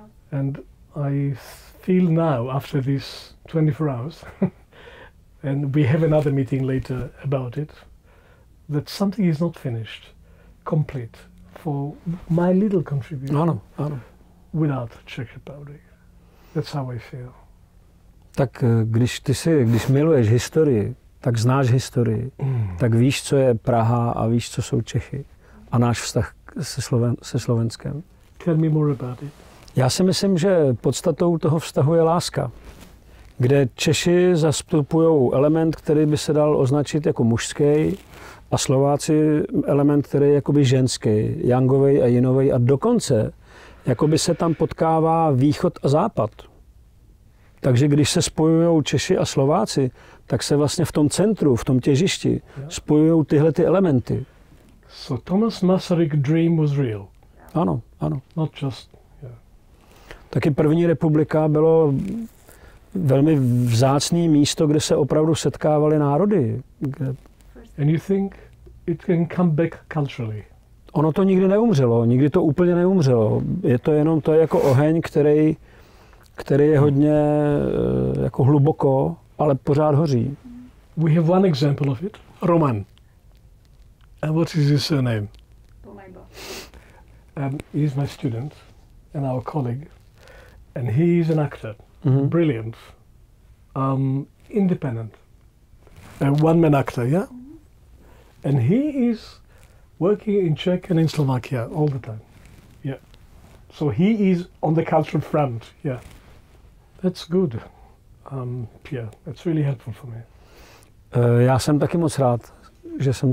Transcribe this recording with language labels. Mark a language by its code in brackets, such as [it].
[en] And I feel now, after these 24 hours, and we have another meeting later about it, that something is not finished, complete, for my little contribution. [cs] Ano, ano. [en] Without Czech Republic. That's how I feel. [cs] Tak když miluješ historii, tak znáš historii, tak víš, co je Praha a víš, co jsou Čechy a náš vztah se Slovenskem. [en] Tell me more about it. [cs] Já si myslím, že podstatou toho vztahu je láska, kde Češi zastupují element, který by se dal označit jako mužský, a Slováci element, který je jakoby ženský, yangovej a yinovej, a dokonce jakoby se tam potkává východ a západ. Takže když se spojují Češi a Slováci, tak se vlastně v tom centru, v tom těžišti spojují tyhle ty elementy. [en] So Thomas Masaryk dream was real. [cs] Ano, ano. [en] Not just, yeah. [cs] Taky první republika bylo velmi vzácné místo, kde se opravdu setkávaly národy. [en] And you think it can come back culturally? [cs] Ono to nikdy neumřelo, nikdy to úplně neumřelo. Je to jenom to jako oheň, který je hodně jako hluboko, ale pořád hoří. [en] We have one example of it. Roman. And what is his surname? Pomajba. He is my student and our colleague. And he is an actor. Mm-hmm. Brilliant. Independent. A one-man actor, yeah? And he is working in Czech and in Slovakia all the time. Yeah. So he is on the cultural front. Yeah. That's good. Pjér, that's really helpful for me. [cs] Já jsem taky moc rád, že jsme se mohli setkat.